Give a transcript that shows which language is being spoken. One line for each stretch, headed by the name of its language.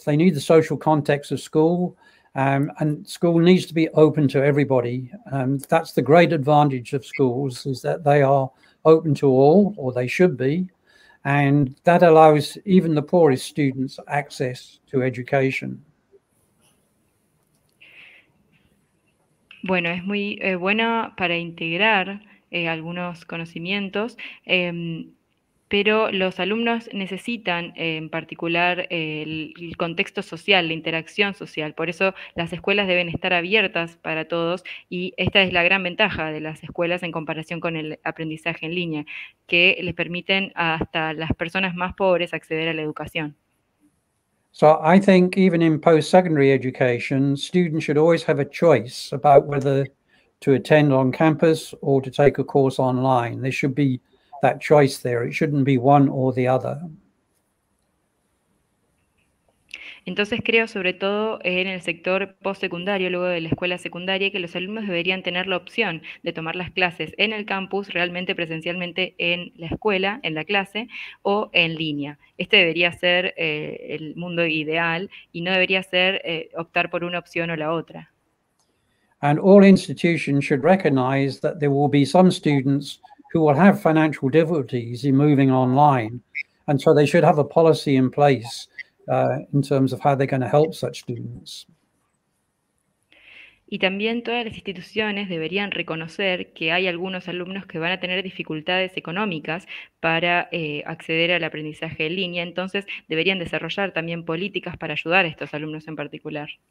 English: They need the social context of school. And school needs to be open to everybody. That's the great advantage of schools, is that they are open to all, or they should be. And that allows even the poorest students access to education.
Spanish: Bueno, es muy buena para integrar algunos conocimientos. Pero los alumnos necesitan en particular el contexto social, la interacción social. Por eso las escuelas deben estar abiertas para todos y esta es la gran ventaja de las escuelas en comparación con el aprendizaje en línea, que les permiten hasta las personas más pobres acceder a la educación.
English: So I think even in post-secondary education, students should always have a choice about whether to attend on campus or to take a course online. There should be that choice there. It shouldn't be one or the other.
Spanish: Entonces creo, sobre todo en el sector postsecundario, luego de la escuela secundaria, que los alumnos deberían tener la opción de tomar las clases en el campus, realmente presencialmente en la escuela, en la clase, o en línea. Este debería ser el mundo ideal y no debería ser optar por una opción o la otra.
English: And all institutions should recognize that there will be some students who will have financial difficulties in moving online, and so they should have a policy in place in terms of how they're going to help such students.
Spanish: Y también todas las instituciones deberían reconocer que hay algunos alumnos que van a tener dificultades económicas para acceder al aprendizaje en línea, entonces deberían desarrollar también políticas para ayudar a estos alumnos en particular.